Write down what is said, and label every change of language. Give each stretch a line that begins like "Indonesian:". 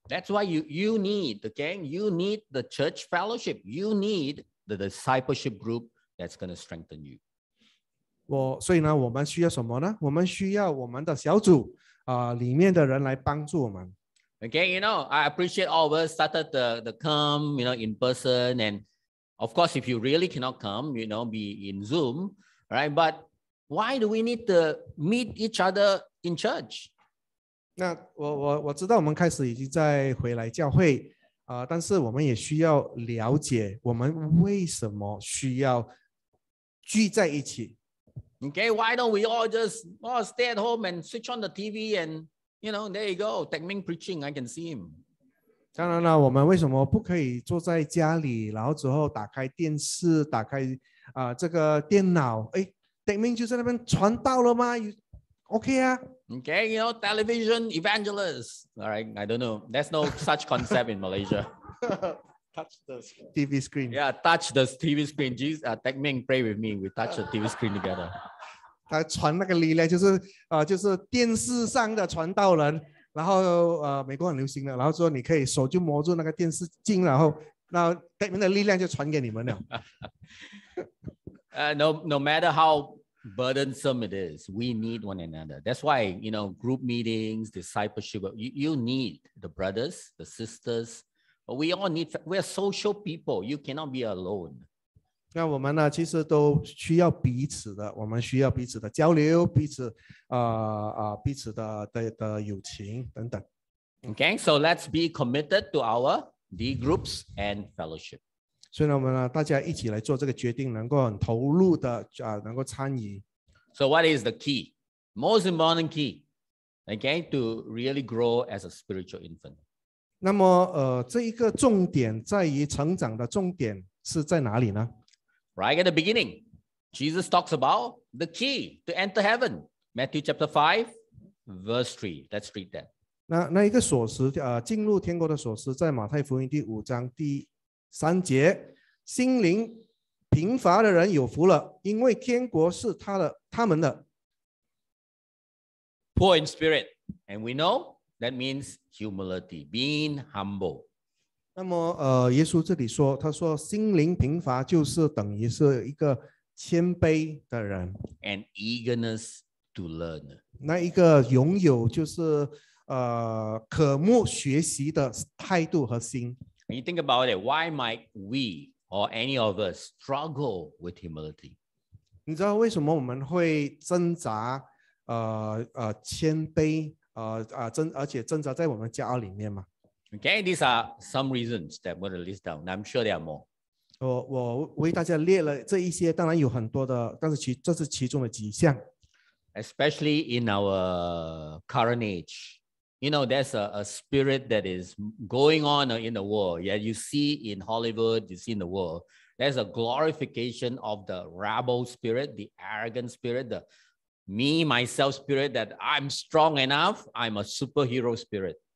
English: That's why you need the gang, you need the church fellowship, you need the discipleship group that's going to strengthen you.
Chinese: 所以呢，我们需要什么呢？我们需要我们的小组里面的人来帮助我们。
English: Okay, you know, I appreciate all of us started the come, you know, in person, and of course, if you really cannot come, you know, be in Zoom, right? But why do we need to meet each other in church?
Chinese: 那我知道我们开始已经在回来教会但是我们也需要了解我们为什么需要聚在一起。
English: Okay, why don't we all just stay at home and switch on the TV and, you know, there you go, Taekming preaching, I can see him.
Chinese: 当然了，我们为什么不可以坐在家里，然后之后打开电视，打开这个电脑，Taekming 就在那边传道了吗 ？OK 啊
English: ，OK， you know television evangelist， all right， I don't know， there's no such concept in Malaysia 。 touch the TV screen. Yeah, touch the TV screen. Jesus, thank me and pray with me. We touch the TV screen together.
Chinese: 他传那个力量，就是就是电视上的传道人，然后美国很流行的，然后说你可以手就摸住那个电视镜，然后那他们的力量就传给你们了。
English: no matter how burdensome it is, we need one another. That's why you know group meetings, discipleship. You need the brothers, the sisters. We all need. We are social people. You cannot be alone.
Chinese: 那我们呢其实都需要彼此的，我们需要彼此的交流，彼此彼此的友情等等。
English: Okay, so let's be committed to our D groups and fellowship.
Chinese: 所以呢我们呢大家一起来做这个决定，能够很投入的能够参与。
English: So what is the key? Most important key, okay, to really grow as a spiritual infant.
Chinese: 那么这一个重点在于成长的重点是在哪里呢？
English: Right at the beginning, Jesus talks about the key to enter heaven. Matthew chapter 5, verse 3. Let's read that.
Chinese: 那一个锁匙，进入天国的锁匙，在马太福音第五章第三节。心灵贫乏的人有福了，因为天国是他们的。
English: Poor in spirit. And we know that means humility, being humble.
Chinese: 那么耶稣这里说，他说心灵贫乏就是等于是一个谦卑的人。
English: An eagerness to learn.
Chinese: 那一个拥有就是渴慕学习的态度和心。
English: When you think about it, why might we or any of us struggle with humility?
Chinese: 你知道为什么我们会挣扎谦卑而且挣扎在我们骄傲里面吗？
English: Okay, these are some reasons that I'm going to list down. I'm sure there are more.
Chinese: 我为大家列了这一些，当然有很多的，但是这是其中的几项。
English: Especially in our current age, you know, there's a spirit that is going on in the world. Yeah, you see in Hollywood, you see in the world, there's a glorification of the rabble spirit, the arrogant spirit, the me, myself spirit, that I'm strong enough, I'm a superhero spirit.